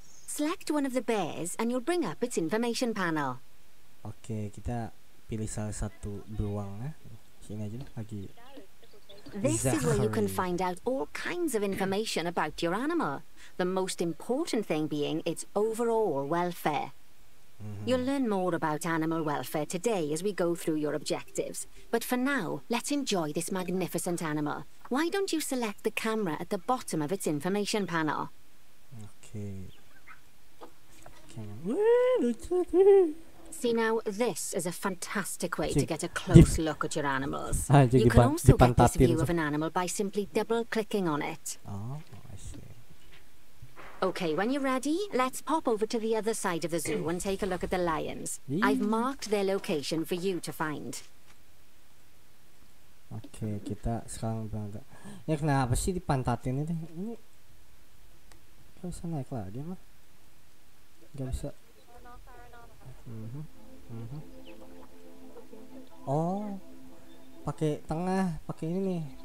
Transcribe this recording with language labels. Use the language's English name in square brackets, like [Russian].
[English] Select one of the bears and you'll bring up its information panel. [Indonesian] Okay, kita pilih salah satu beruang ya. Sini aja lagi. [English] This is where you can find out all kinds of information about your animal. The most important thing being its overall welfare. Mm-hmm. You'll learn more about animal welfare today as we go through your objectives. But for now, let's enjoy this magnificent animal. Why don't you select the camera at the bottom of its information panel? Okay. Okay. See now, this is a fantastic way to get a close look at your animals. You can also get this view of an animal by simply double-clicking on it. Oh, I see. Okay, when you're ready, let's pop over to the other side of the zoo and take a look at the lions. I've marked their location for you to find. [Indonesian] Okay, kita sekarang berangkat. Ya, kenapa sih dipantatin ini? Ini gak bisa naik lagi, mah. Gak bisa. Oh, pakai tengah, pakai ini nih.